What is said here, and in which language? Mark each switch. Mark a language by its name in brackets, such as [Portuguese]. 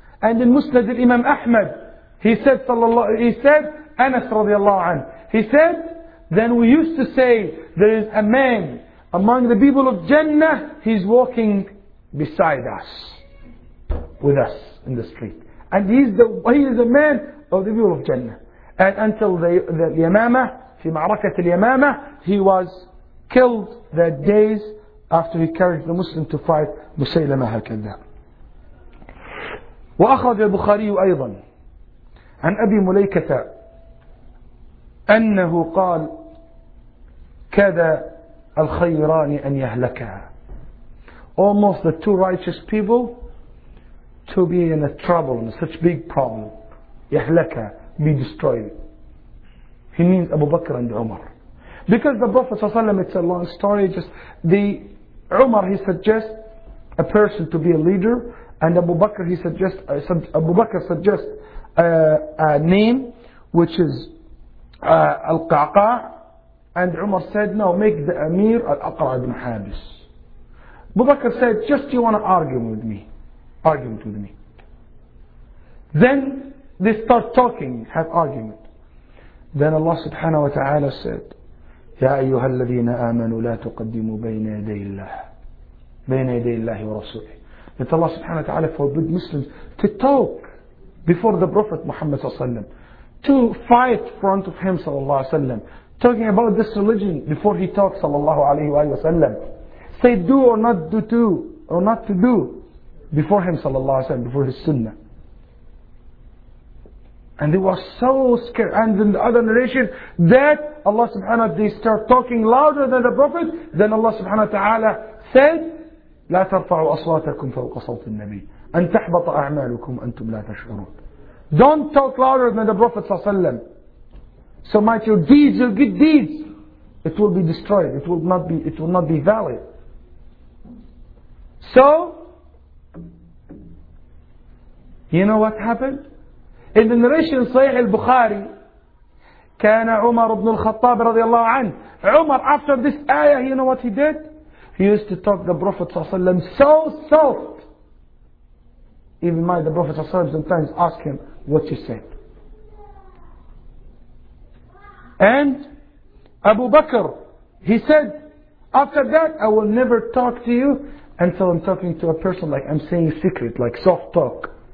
[English] And in Musnad al-Imam Ahmad, he said, Anas radiallahu anhu, he said, then we used to say, there is a man among the people of Jannah, he's walking beside us, with us in the street. And he is the man of the people of Jannah. And until the Yamama, [Arabic] في معركة اليمامة, [English] he was killed that days after he carried the Muslim to fight Musaylama [Arabic] هكذا. وأخرج البخاري أيضا عن أبي مليكة أنه قال كذا الخيران أن يهلكا. [English] Almost the two righteous people to be in a trouble, in such big problem. يَحْلَكَ, be destroyed. He means Abu Bakr and Umar. Because the Prophet ﷺ, it's a long story, just the Umar, he suggests a person to be a leader, and Abu Bakr, Abu Bakr suggests a name, which is Al-Qa'qa, and Umar said, no, make the Amir Al-Aqra ibn Habis. Abu Bakr said, just you want to argue with me. Then they start talking, have argument. Then Allah subhanahu wa ta'ala said, [Arabic] يَا أَيُّهَا الَّذِينَ آمَنُوا لَا تُقَدِّمُوا بَيْنَ يَدَيْ اللَّهِ بَيْنَ يَدَيْ اللَّهِ وَرَسُولِهِ. [English] That Allah subhanahu wa ta'ala forbid Muslims to talk before the Prophet Muhammad sallallahu alayhi wa sallam, to fight front of him sallallahu alayhi wa sallam, talking about this religion before he talks sallallahu alayhi wa sallam. Say do or not do to, or not to do, before him sallallahu alayhi wa sallam, before his sunnah. And they were so scared. And in the other narration, that Allah subhanahu wa ta'ala, they start talking louder than the Prophet, then Allah subhanahu wa ta'ala said, [Arabic] لا ترفعوا أصواتكم فوق صوت النبي أن تحبط أعمالكم أنتم لا تشعرون. [English] Don't talk louder than the Prophet sallallahu alayhi wa sallam. So might your deeds, your good deeds, it will be destroyed. It will not be valid. So, you know what happened? In the narration [Arabic] Sahih al-Bukhari, كان عمر بن الخطاب رضي الله عنه. [English] Umar, after this ayah, you know what he did? He used to talk the Prophet ﷺ so soft. Even my the Prophet ﷺ sometimes ask him, what you said? And Abu Bakr, he said, after that, I will never talk to you until I'm talking to a person like I'm saying secret, like soft talk.